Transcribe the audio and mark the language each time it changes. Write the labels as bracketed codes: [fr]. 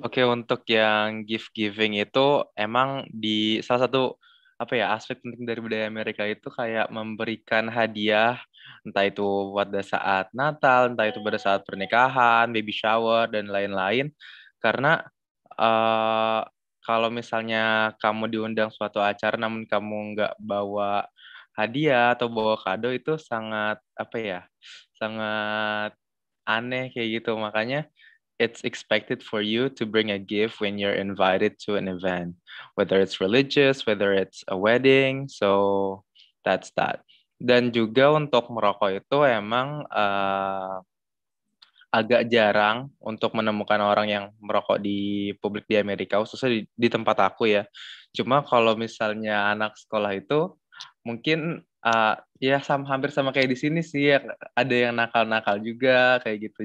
[id] Oke, untuk yang gift giving itu emang di salah satu apa ya, aspek penting dari budaya Amerika itu kayak memberikan hadiah, entah itu pada saat Natal, entah itu pada saat pernikahan, baby shower, dan lain-lain. Karena kalau misalnya kamu diundang suatu acara namun kamu nggak bawa hadiah atau bawa kado, itu sangat, apa ya, sangat aneh kayak gitu. Makanya [en] it's expected for you to bring a gift when you're invited to an event, whether it's religious, whether it's a wedding. So that's that. [id] Dan juga untuk merokok itu emang agak jarang untuk menemukan orang yang merokok di publik di Amerika, khususnya di tempat aku ya. Cuma kalau misalnya anak sekolah itu mungkin ya sama, hampir sama kayak di sini sih ya, ada yang nakal-nakal juga kayak gitu.